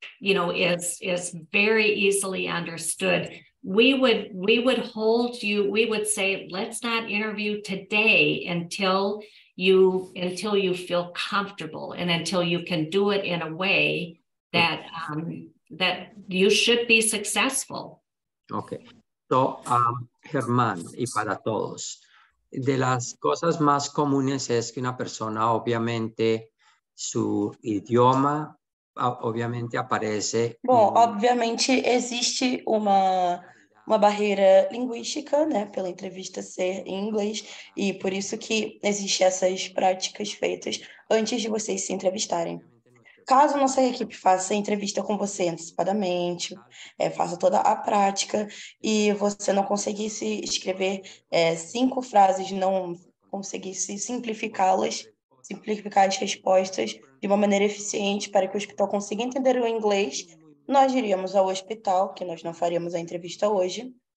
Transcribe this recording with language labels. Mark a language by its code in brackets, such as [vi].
[en] you know, is very easily understood, we would hold you, we would say, let's not interview today until you feel comfortable and until you can do it in a way that that you should be successful. Okay. [es] So, Germán, y para todos, de las cosas más comunes es que una persona, obviamente, su idioma, obviamente, aparece... [pt] Bom, obviamente, existe uma barreira linguística, né, pela entrevista ser em inglês, e por isso que existem essas práticas feitas antes de vocês se entrevistarem. Caso nossa equipe faça a entrevista com você antecipadamente, faça toda a prática, e você não conseguisse escrever cinco frases, não conseguisse simplificar as respostas de uma maneira eficiente para que o hospital consiga entender o inglês, nós iríamos ao hospital, que nós não faríamos a entrevista hoje,